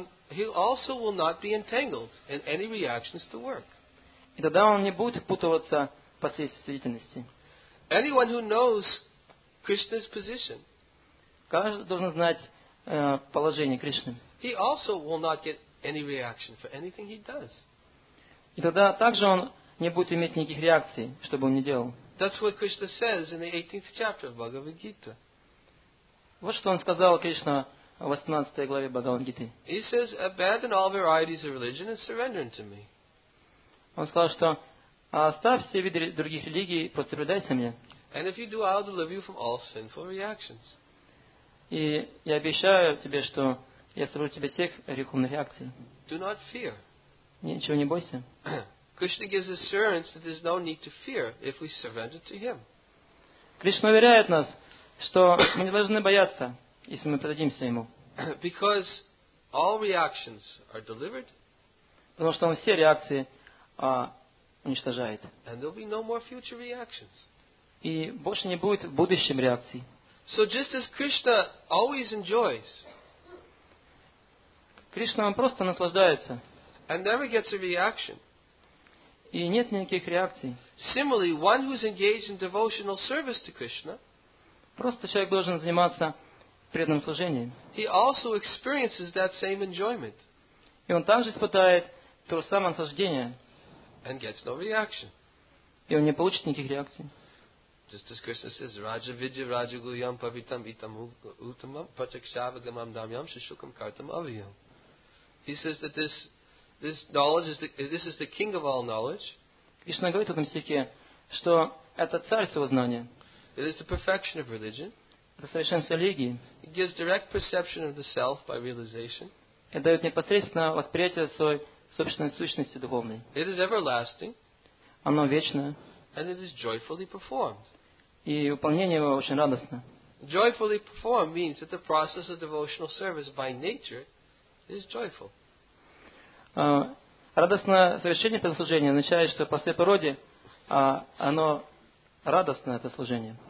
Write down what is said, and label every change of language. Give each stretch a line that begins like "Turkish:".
English: He'll also will not be entangled in any reactions to work.
Russian: И тогда он не будет путаться в последствиях деятельности.
English: Anyone who knows Krishna's position,
Russian: каждый должен знать положение Кришны.
English: He also will not get any reaction for anything he does.
Russian: И тогда также он не будет иметь никаких реакций, что бы он ни делал.
English: That's what Krishna says in the 18th chapter of Bhagavad Gita.
Russian: Вот что он сказал Кришна в 18 главе Бхагавад Гиты.
English: He says, abandon all varieties of religion and surrender unto me.
Russian: Он сказал, что оставь все виды других религий и просто предайся мне.
English: And if you do, I'll deliver you from all sinful reactions.
Russian: И я обещаю тебе, что я соберу тебе всех греховных реакций.
English: Do not fear.
Russian: Ничего не бойся.
English: Krishna gives assurance that there's no need to fear if we surrender to him.
Russian: Кришна уверяет нас, что мы не должны бояться, если мы предадимся ему.
English: Because all reactions are delivered.
Russian: Потому что он все реакции уничтожает.
English: And there'll be no more future reactions.
Russian: И больше не будет в будущем реакций.
English: So just as Krishna always enjoys.
Russian: Кришна просто наслаждается.
English: And never gets a reaction.
Russian: И нет никаких реакций.
English: Similarly, one who's engaged in devotional service to Krishna,
Russian: просто человек должен заниматься преданным служением.
English: He also experiences that same enjoyment.
Russian: И он также испытает то же самое наслаждение.
English: And gets no reaction.
Russian: И он не получит никаких реакций.
English: Just as Krishna says,
Sanskrit: Raja Vidya Raja Guyam Pavitam Itam Utamam Pratyakshavagamam Damyam Shishukam Kartam Avyam.
English: He says that this knowledge is this is the king of all knowledge.
Russian: Кришна говорит в этом стихе, что это царь всего знания.
English: It is the perfection of religion.
Russian: Это совершенство религии.
English: It gives direct perception of the self by realization.
Russian: Это дает непосредственное восприятие своей собственной сущности духовной.
English: It is everlasting.
Russian: Оно вечное.
English: And it is joyfully performed.
Russian: И выполнение его очень радостно.
English: Joyfully performed means that the process of devotional service by nature is joyful.
Russian: Радостное совершение этого служения означает, что по своей природе оно радостное, это служение.